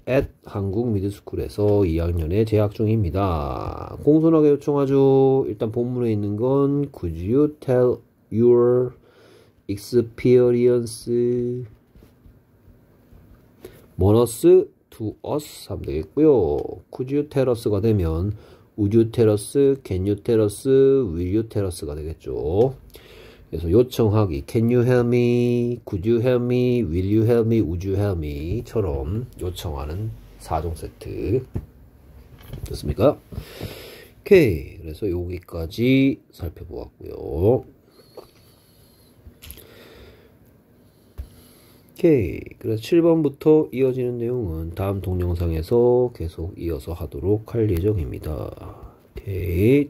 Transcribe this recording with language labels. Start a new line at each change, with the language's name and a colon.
Korean: At 한국 미드스쿨에서 2학년에 재학 중입니다. 공손하게 요청하죠.
English: 일단 본문에 있는 건 Could you tell your experience?
Korean: 뭐너스 to us 하면 되겠고요.
English: Could you tell us가 되면 Would you tell us? Can you tell us? Will you tell us가 되겠죠. 그래서 요청하기 Can you help me? Could you help me? Will you help me?
Korean: Would you help me? 처럼 요청하는 4종 세트 됐습니까? 오케이. 그래서 여기까지 살펴보았고요. 오케이. 그래서 7번부터 이어지는 내용은 다음 동영상에서 계속 이어서 하도록 할 예정입니다. 오케이.